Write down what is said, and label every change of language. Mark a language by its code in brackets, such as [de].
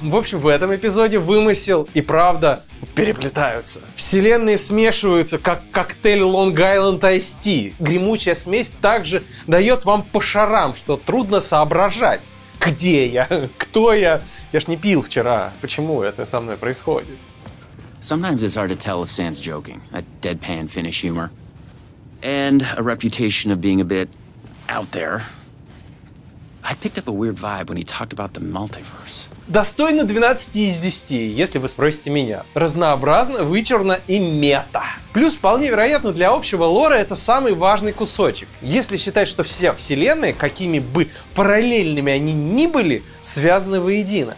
[ru] В общем, в этом эпизоде вымысел и правда переплетаются. Вселенные смешиваются, как коктейль Long Island Iced Tea. Гремучая смесь также дает вам по шарам, что трудно соображать. Где я? Кто я? Я ж не пил вчера. Почему это со мной происходит? [en] Sometimes it's hard to tell if Sam's joking, a deadpan Finnish humor, and a reputation of being a bit out there. I picked up a weird vibe when he talked about the multiverse. [ru] Достойно 12 из 10, если вы спросите меня. Разнообразно, вычурно и мета. Плюс, вполне вероятно, для общего лора это самый важный кусочек. Если считать, что все вселенные, какими бы параллельными они ни были, связаны воедино.